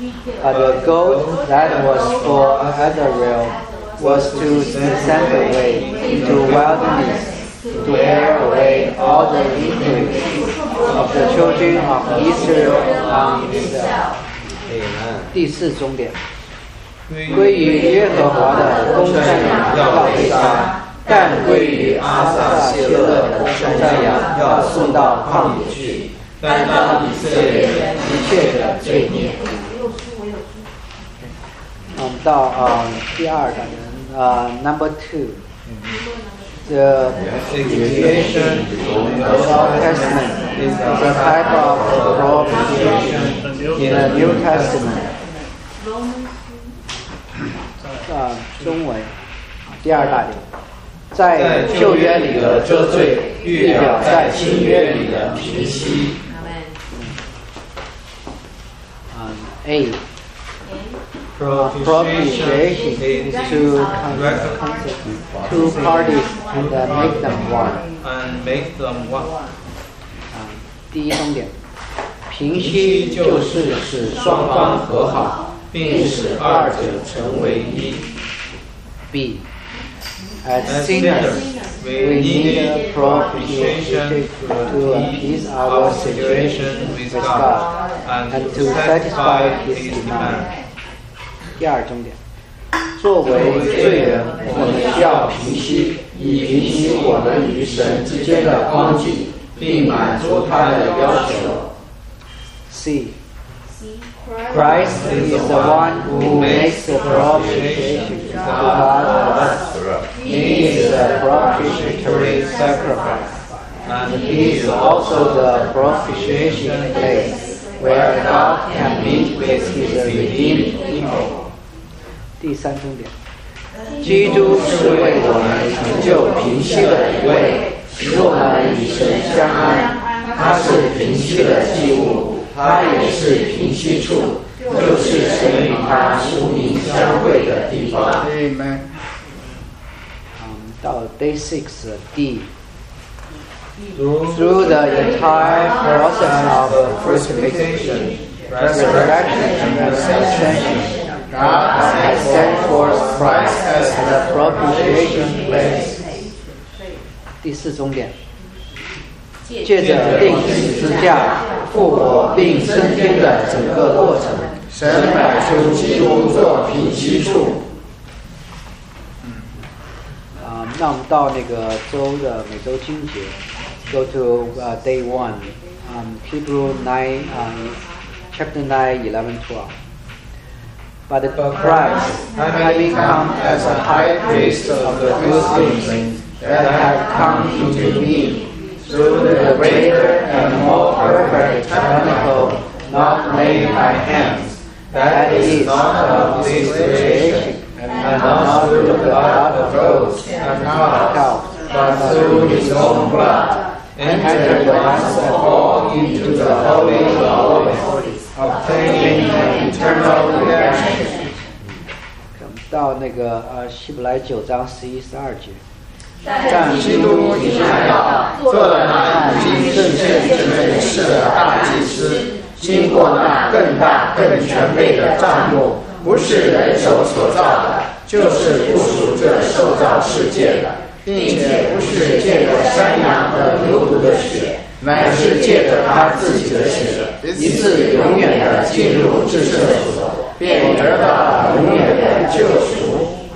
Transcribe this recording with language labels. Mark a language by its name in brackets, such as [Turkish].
[English] but the goat that was for Israel was to be sent away into wildness. To bear away all the iniquities of the children of Israel on himself. [Chinese] 第四终点，归于耶和华的公山羊要被杀，但归于阿撒谢勒的公山羊要送到旷野去，担当以色列一切的罪孽。我们到第二的人 [English] number two。 [Chinese] The [English] expiation of the Old Testament is a type of propitiation in the New Testament. [Chinese] 中文第二大点，在旧约里的遮罪预表在新约里的平息。 [English] A. Propitiation is to convert two parties and make them one. And make them one. [Chinese] 第一重点，平息就是使双方和好，并使二者成为一。 [English] B. As sinners, we need a propitiation to appease our situation with God and to satisfy His demand. [Chinese] 第二重点，作为罪人，我们需要平息，以平息我们与神之间的光景，并满足他的要求。 [English] C. Christ is the one who makes the propitiation to God for us. He is the propitiatory sacrifice, and he is also the propitiation place where God can meet with His redeemed people. [Chinese] 第三重点，基督是为我们成就平息的一位，使我们与神相爱。他是平息的祭物，他也是平息处，就是神与他属灵相会的地方。 [English] Amen. 到 day six, D, through the entire process of crucifixion, resurrection, and ascension, God has sent forth Christ as the propitiation place. [Chinese] 第四重点，借着钉十字架复活并升天的整个过程，神摆出基督做平息处。那我们到那个周的每周经节 [English] ，Go to day one, Hebrew nine, chapter 9:11-12. But Christ, having come as a high priest of the new things that have come into being, through the greater and more perfect tabernacle not made by hands, that is not of this creation. And not through the blood of goats and cows, but through his own blood, entered once for all into the Holy of Holies, obtaining an eternal redemption. [Chinese] 我们到那个希伯来九章十一十二节。但基督已来到，做了那已经圣洁之人的大祭司，经过那更大更全备的帐幕，不是人手所造的，就是不属这受造世界的，并且不是借着山羊和牛犊的血，乃是借着他自己的血，一次永远的进入至圣所，便得到永远的救赎。